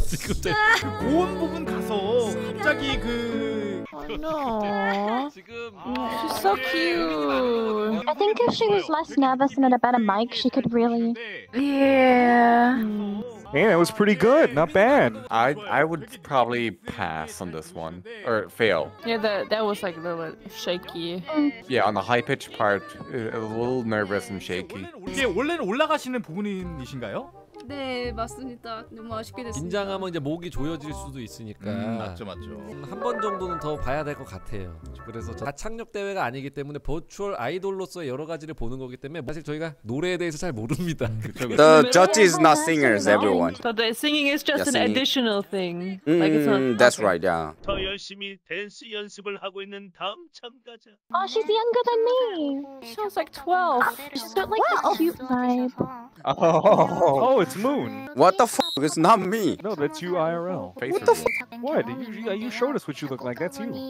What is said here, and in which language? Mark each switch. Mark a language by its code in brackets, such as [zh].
[ko] 지금 제 고음 부분 가서 갑자기 그. [en] No. She's so cute. I think if she was less nervous and had a better mic, she could really. Yeah. It was pretty good. Not bad. I would probably pass on this one or fail. Yeah, that was like a little bit shaky. Yeah, on the high pitched part, a little nervous and shaky. [ko] 원래는 올라가시는 부분이신가요? 네 맞습니다. 너무 아쉽게 됐습니다. 긴장하면 이제 목이 조여질 수도 있으니까. 맞죠 맞죠. 한 번 정도는 더 봐야 될 것 같아요. 그래서 가창력 대회가 아니기 때문에 버추얼 아이돌로서의 여러 가지를 보는 거기 때문에 사실 저희가 노래에 대해서 잘 모릅니다. [en] The judge is not singers, everyone. But the singing is just an additional thing. That's right, yeah. [ko] 더 열심히 댄스 연습을 하고 있는 다음 참가자. [en] Oh, she's younger than me. She was like 12. She's got like a cute vibe. Oh, it's Moon. What the f***? It's not me. No, that's you IRL. What the f***? What? You showed us what you look like. That's you.